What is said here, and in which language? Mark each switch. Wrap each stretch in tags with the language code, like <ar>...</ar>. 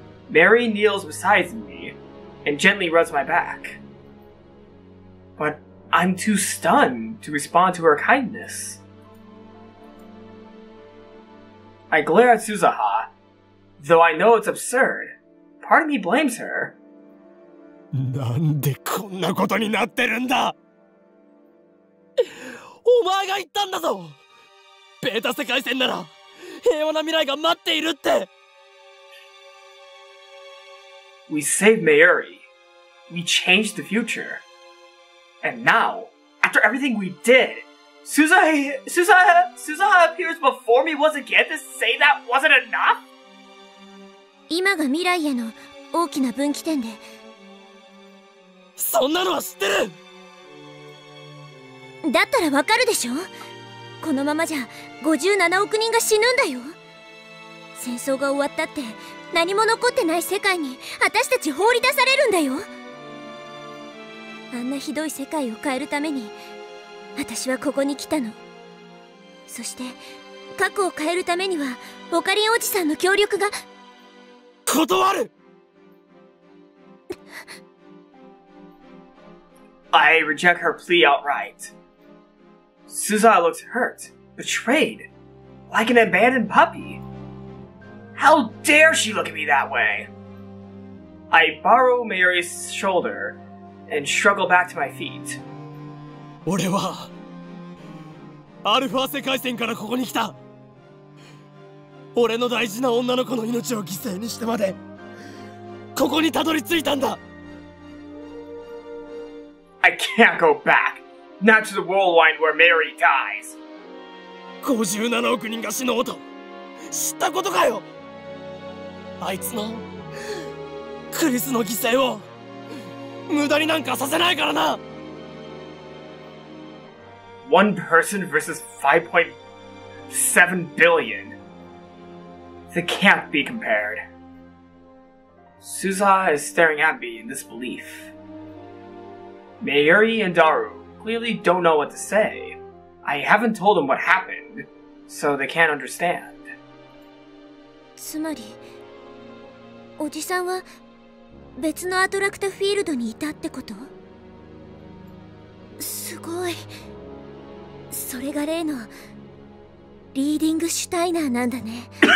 <en>Mary kneels beside me and gently rubs my back. But I'm too stunned to respond to her kindness. I glare at Suzuha. Though I know it's absurd, part of me blames her.</en> <ja>なんでこんなことになってるんだ。お前が言ったんだぞ。ベータ世界線なら平和な未来が待っているって。</ja> <en>We saved Mayuri. We changed the future. And now, after everything we did, Suzuha appears before me once again to say that wasn't enough?</en> <ja>今が未来への大きな分岐点で、そんなのは知ってる。だったらわかるでしょ。このままじゃ57億人が死ぬんだよ。戦争が終わったって何も残ってない世界に私たち放り出されるんだよ。あんなひどい世界を変えるために私はここに来たの。そして過去を変えるためにはオカリンおじさんの協力が。断る。</ja> <en>I reject her plea outright. Suzuha looks hurt, betrayed, like an abandoned puppy. How dare she look at me that way? I borrow Mary's shoulder and struggle back to my feet.</en> <ja>俺はアルファ世界線からここに来た。俺の大事な女の子の命を犠牲にしてまでここにたどり着いたんだ。</ja> <en>I can't go back. Not to the Worldline where Mary dies.</en> <ja>57億人が死ぬ音、知ったことかよ。あいつの、クリスの犠牲を、無駄になんかさせないからな。</ja> <en>One person versus 5.7 billion. They can't be compared. Suzuha is staring at me in disbelief. Mayuri and Daru clearly don't know what to say. I haven't told them what happened, so they can't understand.</en> <ja>つまり、おじさんは別のアトラクタフィールドにいたってこと? すごい。それが例のリーディングシュタイナーなんだね。</ja>